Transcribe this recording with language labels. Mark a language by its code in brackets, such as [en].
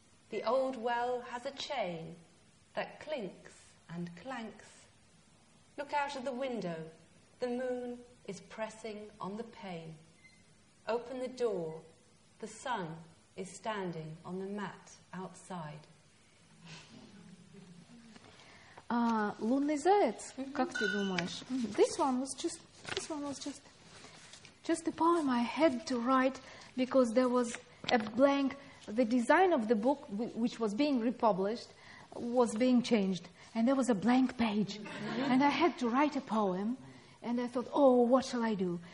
[en] The old well has a chain that clinks and clanks. Look out of the window, the moon is pressing on the pane. Open the door, the sun is standing on the mat outside. [ru] Лунный заяц, как ты думаешь? [en] This one was just a poem I had to write because there was a blank. The design of the book, which was being republished, was being changed, and there was a blank page, and I had to write a poem, and I thought, oh, what shall I do?